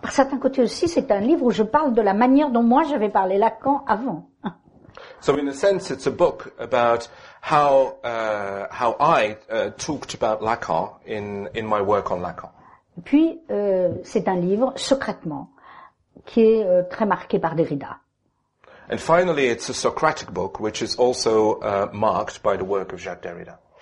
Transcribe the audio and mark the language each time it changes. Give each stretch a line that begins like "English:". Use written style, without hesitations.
French: Par certains côtés aussi, c'est un livre où je parle de la manière dont moi j'avais parlé Lacan avant.
English: So in a sense, it's a book about how I talked about Lacan in my work on Lacan.
French: Puis, c'est un livre, secrètement, qui est très marqué par Derrida.
English: And finally, it's a Socratic book, which is also marked by the work of Jacques Derrida.